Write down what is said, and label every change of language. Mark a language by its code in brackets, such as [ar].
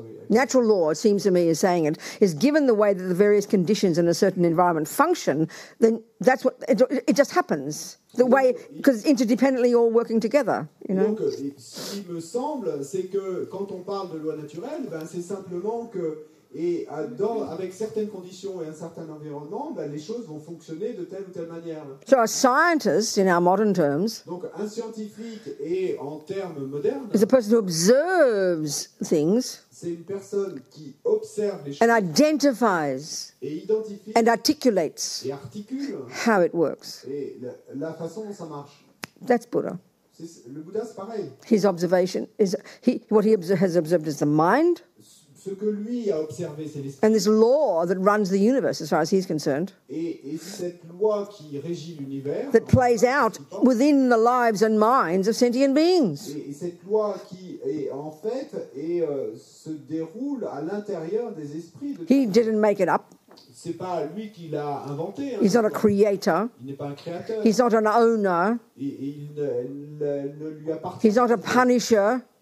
[en] Natural law, it seems to me, is saying it, is given the way that the various conditions in a certain environment function, then that's what, it just happens. The way, because interdependently all working together, you know. [fr] Donc, ce qui me semble, c'est que quand on parle de loi naturelle, ben, c'est simplement que, et dans, avec certaines conditions et un certain environnement, ben, les choses vont fonctionner de telle ou telle manière. [en] So a scientist, in our modern terms, [fr] donc un scientifique et en termes modernes, [en] is a person who observes things, [fr] c'est une personne qui observe les choses, [en] and identifies, [fr] et identifie, [en] and articulates, [fr] et articule, [en] how it works. [fr] Et la façon dont ça marche. [en] That's Buddha. [fr] Le Bouddha, c'est pareil. [en] His observation is, has observed is the mind, [fr] ce que lui a observé, c'est l'esprit. [en] And this law that runs the universe, as far as he's concerned, [fr] et cette loi qui régit l'univers, [en] that plays out within the lives and minds of sentient beings. [fr] Et cette loi qui est en fait et se déroule à l'intérieur des esprits. [en] He didn't make it up. [fr] C'est pas lui qui l'a inventé. Hein, [en] he's not a creator. [fr] Il n'est pas un créateur. [en] He's not an owner. [fr] Il ne lui appartient. [en] He's not a punisher.